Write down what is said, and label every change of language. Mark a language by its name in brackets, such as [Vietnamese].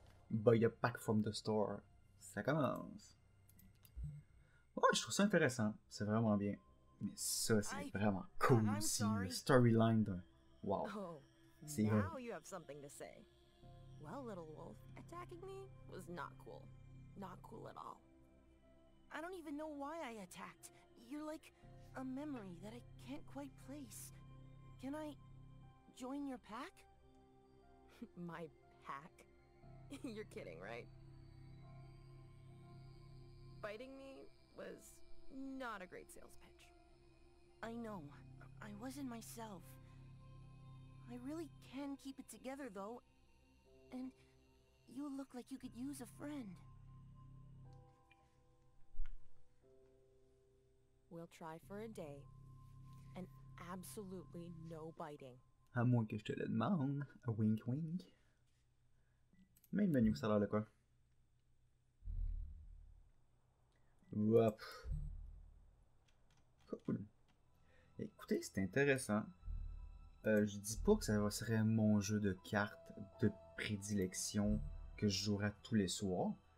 [English] Buy a pack from the store. [French] Ça commence. Ouais, je trouve ça intéressant. C'est vraiment bien. Mais ça, c'est vraiment cool aussi. Le storyline d'un. Wow. C'est vrai. [English] Now you have something to say. Well, little wolf, attacking me was not cool. Not cool at all. I don't even know why I attacked. You're like a memory that I can't quite place. Can I join your pack? My pack? You're kidding, right? Biting me was not a great sales pitch. I know. I wasn't myself. I really can keep it together, though. And you look like you could use a friend. We'll try for a day. And absolutely no biting. [French] À moins que je te le demande. A wink wink. Mais le menu, ça a l'air de quoi? Hop. Cool. Écoutez, c'est intéressant. Je dis pas que ça serait mon jeu de cartes de prédilection que je jouerais tous les soirs.